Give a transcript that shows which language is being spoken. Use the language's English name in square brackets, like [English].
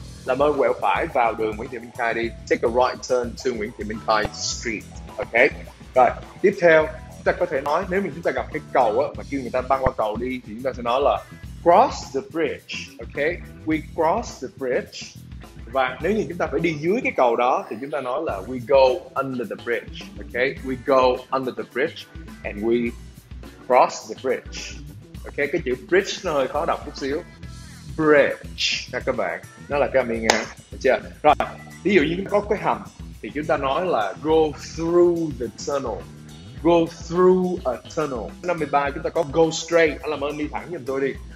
[Vietnamese] Làm ơn quẹo phải vào đường Nguyễn Thị Minh Khai đi. [English] Take a right turn to Nguyễn Thị Minh Khai Street. [Vietnamese] Okay. Rồi, tiếp theo, chúng ta có thể nói nếu mình chúng ta gặp cái cầu á, mà kêu người ta băng qua cầu đi thì chúng ta sẽ nói là [English] cross the bridge. [Vietnamese] Okay. [English] We cross the bridge. [Vietnamese] Và nếu như chúng ta phải đi dưới cái cầu đó thì chúng ta nói là [English] we go under the bridge. Okay. We go under the bridge and we cross the bridge. [Vietnamese] Okay, cái chữ bridge nó hơi khó đọc chút xíu. Bridge nha các bạn. Nó là cái âm nghe, được chưa? Rồi, ví dụ như có cái hầm thì chúng ta nói là [English] go through the tunnel. Go through a tunnel. [Vietnamese] 53 chúng ta có [English] go straight, [Vietnamese] anh làm ơn đi thẳng giùm tôi đi.